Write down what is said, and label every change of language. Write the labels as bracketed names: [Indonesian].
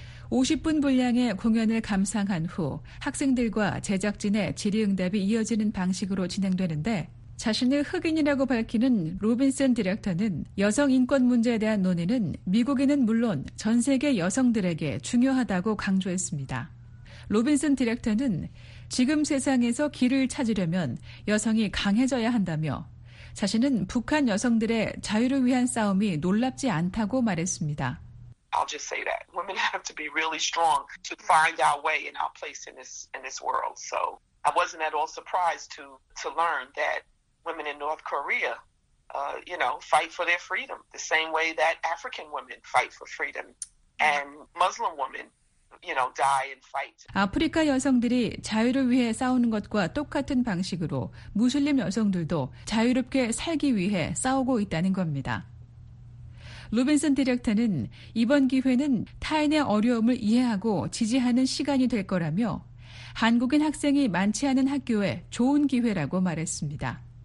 [Korean] 50분 분량의 공연을 감상한 후 학생들과 제작진의 질의응답이 이어지는 방식으로 진행되는데 자신을 흑인이라고 밝히는 로빈슨 디렉터는 여성 인권 문제에 대한 논의는 미국인은 물론 전 세계 여성들에게 중요하다고 강조했습니다. 로빈슨 디렉터는 지금 세상에서 길을 찾으려면 여성이 강해져야 한다며 자신은 북한 여성들의 자유를 위한 싸움이 놀랍지 않다고 말했습니다. [English] I'll just say that. Women have to be really strong to find our way and our place in this world. So I wasn't at all surprised to learn that women in North Korea, fight for their freedom the same way that African women fight for freedom and Muslim women, die and fight. [Korean] 아프리카 여성들이 자유를 위해 싸우는 것과 똑같은 방식으로 무슬림 여성들도 자유롭게 살기 위해 싸우고 있다는 겁니다. 로빈슨 디렉터는 이번 기회는 타인의 어려움을 이해하고 지지하는 시간이 될 거라며 한국인 학생이 많지 않은 학교에 좋은 기회라고 말했습니다.